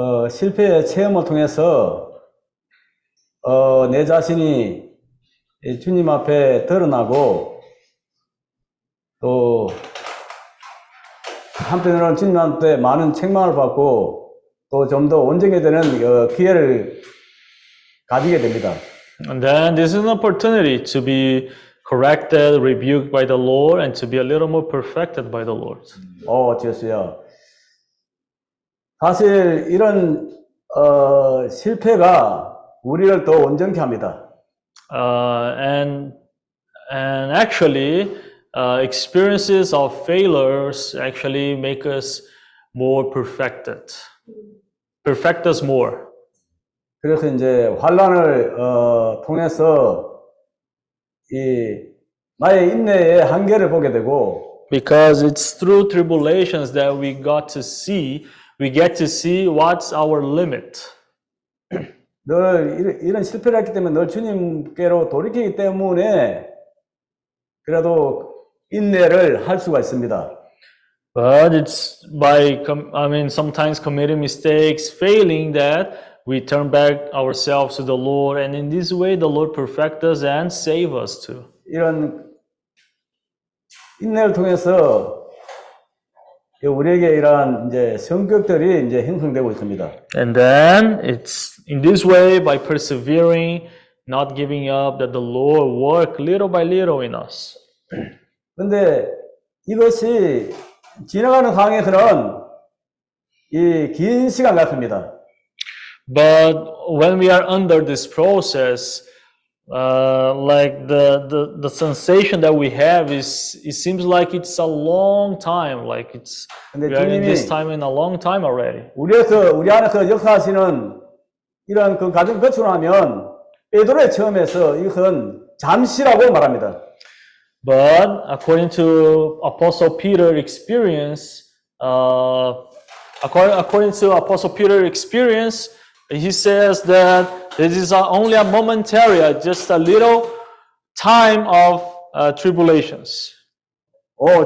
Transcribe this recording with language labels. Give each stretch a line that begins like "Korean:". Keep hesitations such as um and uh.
Korean: 실패의 체험을 통해서, 내 자신이 주님 앞에 드러나고, 또, 한편으로는 진난 때 많은 책망을 받고 또 좀더 온전히 되는 기회를 가지게 됩니다.
English: And then this is an opportunity to be corrected, rebuked by the Lord, and to be a little more perfected by the Lord.
Korean: 오, 어째서요? 사실 이런 어, 실패가 우리를 더 온전케 합니다.
English: Uh, and and actually. experiences of failures actually make us more perfected. Perfect us more.
Korean: 그래서 이제 환란을 어, 통해서 이 나의 인내의 한계를 보게 되고
English: because it's through tribulations that we got to see we get to see what's our limit.
Korean: 늘 이런 실패를 했기 때문에 늘 주님께로 돌이키기 때문에 그래도 인내를 할 수가 있습니다.
English: But it's by I mean sometimes committing mistakes, failing that we turn back ourselves to the Lord and in this way the Lord perfect us and save us too.
Korean: 이런 인내를 통해서 우리에게 이러한 이제 성격들이 이제 형성되고 있습니다.
English: And then it's in this way by persevering, not giving up, that the Lord work little by little in us.
Korean: 그런데 이것이 지나가는 강의 그런 이긴 시간 같습니다.
English: But when we are under this process, uh, like the, the the sensation that we have is it seems like it's a long time, like it's we are in this time in a long time already.
Korean: 우리에서 우리 안에서 역사하시는 이런 그 과정 거쳐나면 베드로의 처음에서 이건 잠시라고 말합니다.
English: But according to Apostle Peter's experience, uh, according, according to Apostle p e t e r experience, he says that this is only a momentary, just a little time of u tribulations. 오,